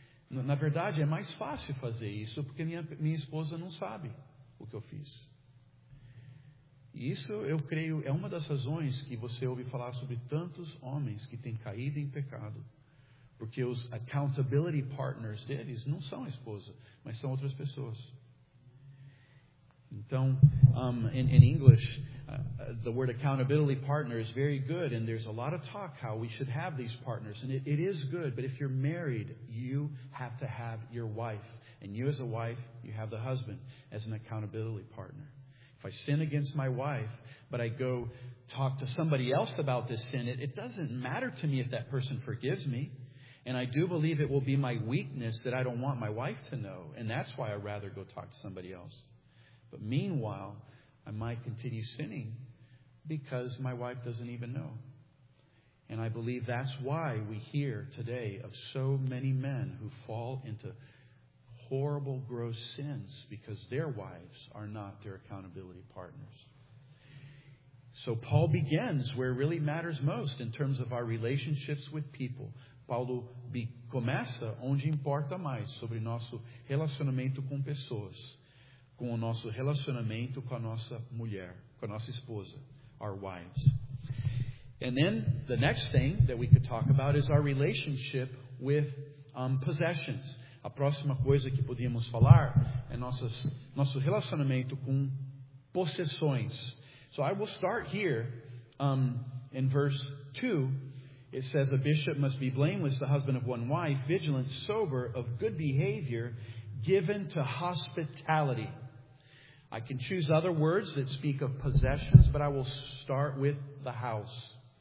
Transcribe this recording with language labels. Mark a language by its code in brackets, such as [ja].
[pt] Na verdade, é mais fácil fazer isso porque minha esposa não sabe o que eu fiz. E isso, eu creio, é uma das razões que você ouve falar sobre tantos homens que têm caído em pecado, porque os accountability partners deles não são a esposa, mas são outras pessoas. Então, [en] in English, the word accountability partner is very good, and there's a lot of talk how we should have these partners, and it is good, but if you're married, you have to have your wife, and you as a wife, you have the husband as an accountability partner. If I sin against my wife, but I go talk to somebody else about this sin, it doesn't matter to me if that person forgives me. And I do believe it will be my weakness that I don't want my wife to know. And that's why I'd rather go talk to somebody else. But meanwhile, I might continue sinning because my wife doesn't even know. And I believe that's why we hear today of so many men who fall into horrible, gross sins, because their wives are not their accountability partners. So Paul begins where it really matters most in terms of our relationships with people. [pt] Paulo começa onde importa mais, sobre nosso relacionamento com pessoas, com o nosso relacionamento com a nossa mulher, com a nossa esposa, [en] our wives. And then the next thing that we could talk about is our relationship with possessions. [pt] A próxima coisa que podíamos falar é nosso relacionamento com possessões. [en] So I will start here in verse 2. It says, a bishop must be blameless, the husband of one wife, vigilant, sober, of good behavior, given to hospitality. I can choose other words that speak of possessions, but I will start with the house.